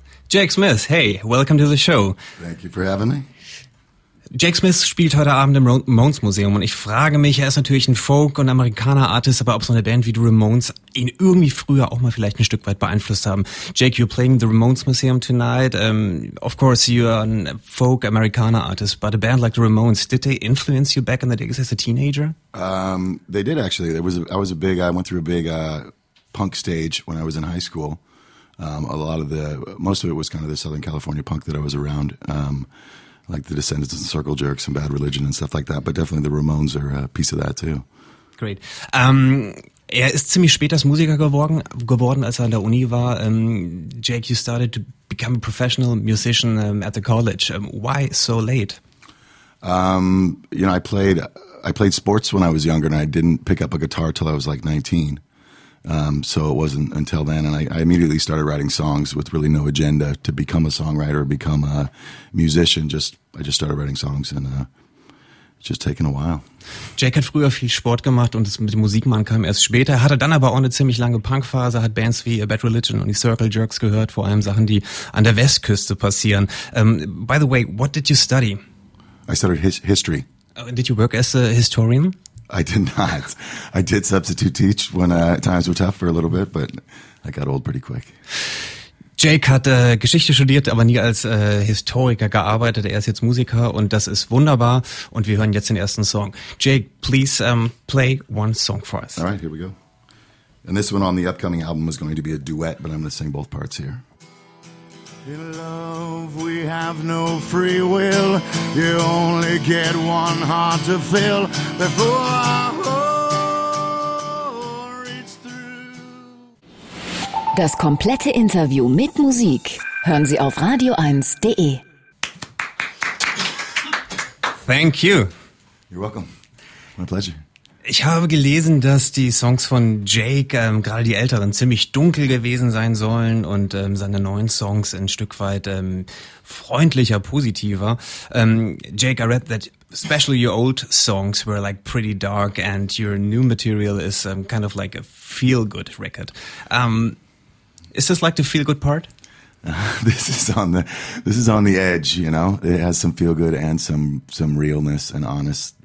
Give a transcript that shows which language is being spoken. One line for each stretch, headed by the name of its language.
English: Jake Smith, hey, welcome to the show. Thank you for having me.
German: Jake Smith spielt heute Abend im Ramones Museum und ich frage mich, er ist natürlich ein Folk- und Amerikaner-Artist, aber ob so eine Band wie die Ramones ihn irgendwie früher auch mal vielleicht ein Stück weit beeinflusst haben.
English: Jake, you're playing the Ramones Museum tonight. Of course, you're a folk Americana artist, but a band like the Ramones, did they influence you back in the days as a teenager? They did actually. I went through a big punk stage when I was in high school. Most of it was kind of the Southern California punk that I was around. Like the Descendants and Circle Jerks and Bad Religion and stuff like that. But definitely the Ramones are a piece of that too. Great.
German: Er ist ziemlich spät als Musiker geworden, als er an der Uni war.
English: Jake, you started to become a professional musician at the college. Why so late? I played sports when I was younger, and I didn't pick up a guitar till I was like 19. So it wasn't until then, and I immediately started writing songs with really no agenda to become a songwriter, become a musician. I just started writing songs and it's just taken a while.
German: Jake hat früher viel Sport gemacht und das mit dem Musikmachen kam erst später. Hatte dann aber auch eine ziemlich lange Punkphase, hat Bands wie Bad Religion und die Circle Jerks gehört, vor allem Sachen, die an der Westküste passieren.
English: By the way, what did you study? I studied history. Did you work as a historian? I did not. I did substitute teach when times were tough for a little bit, but I got old pretty quick.
German: Jake hat Geschichte studiert, aber nie als Historiker gearbeitet. Er ist jetzt Musiker und das ist wunderbar. Und wir hören jetzt den ersten Song.
English: Jake, please play one song for us. All right, here we go. And this one on the upcoming album is going to be a duet, but I'm going to sing both parts here. In love we have no free will. You only get one heart to fill before our whore is through.
German: Das komplette Interview mit Musik hören Sie auf radio1.de.
English: Thank you. You're welcome. My pleasure.
German: Ich habe gelesen, dass die Songs von Jake, gerade die älteren, ziemlich dunkel gewesen sein sollen und seine neuen Songs ein Stück weit freundlicher, positiver.
English: Jake, I read that especially your old songs were like pretty dark and your new material is kind of like a feel-good record. Is this like the feel-good part? This is on the edge, you know? It has some feel-good and some realness and honest.